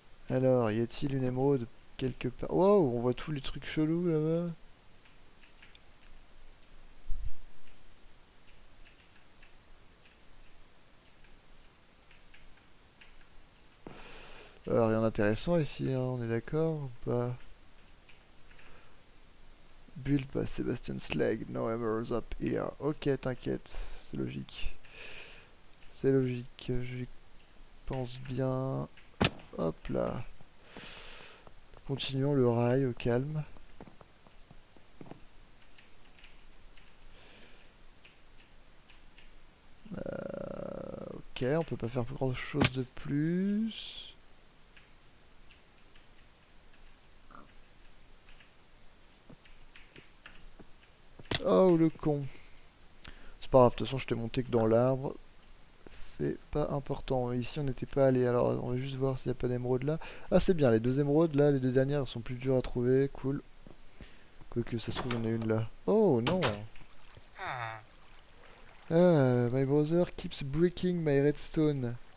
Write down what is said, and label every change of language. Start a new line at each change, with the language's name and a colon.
French: Alors, y a-t-il une émeraude quelque part? Wow, on voit tous les trucs chelous là-bas. Alors, rien d'intéressant ici, hein, on est d'accord ou pas?
English: Build by Sebastian Slag, no emeralds up here.
French: Ok, t'inquiète, c'est logique. C'est logique, j'y pense bien. Hop là. Continuons le rail au calme. Ok, on peut pas faire grand chose de plus. Oh le con. C'est pas grave, de toute façon je t'ai monté que dans l'arbre. C'est pas important. Ici on n'était pas allé, alors on va juste voir s'il n'y a pas d'émeraude là. Ah c'est bien, les deux émeraudes là, les deux dernières, elles sont plus dures à trouver, cool. Quoique ça se trouve, il y en a une là. Oh non!
English: My brother keeps breaking my redstone.